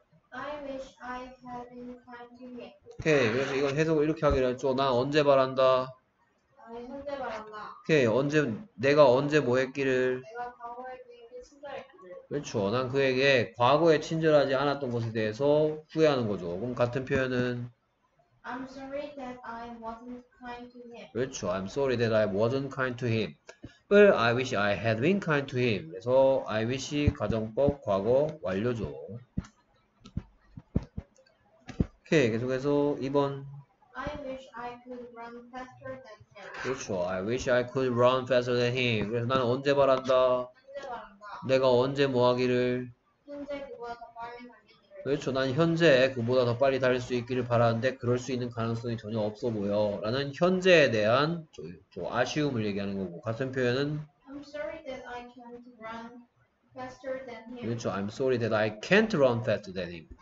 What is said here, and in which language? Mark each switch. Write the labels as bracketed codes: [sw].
[en] I wish I had been kind to him. [ko] 오케이. 그래서 이건 해석을 이렇게 하기로 했죠. 난 언제 바란다. 아니, 현재 바란다. 오케이. 언제, 내가 언제 뭐 했기를. 내가 과거에 그에게 친절했거든. 그렇죠. 난 그에게 과거에 친절하지 않았던 것에 대해서 후회하는 거죠. 그럼 같은 표현은. [en] I'm sorry that I wasn't kind to him. [ko] 그렇죠. [en] I'm sorry that I wasn't kind to him. Well, I wish I had been kind to him. [ko] 그래서 I wish 가정법 과거 완료죠. 오케이, 계속해서 2번. [en] I wish I could run faster than him. [ko] 그렇죠. [en] I wish I could run faster than him. [ko] 그래서 나는 언제 바란다? 내가 언제 뭐 하기를? 현재 그보다 더 빨리 그렇죠. 난 현재 그보다 더 빨리 달릴 수 있기를 바라는데 그럴 수 있는 가능성이 전혀 없어 보여. 라는 현재에 대한 아쉬움을 얘기하는 거고. 같은 표현은? [en] I'm sorry that I can't run faster than him. [ko] 그렇죠. [en] I'm sorry that I can't run faster than him.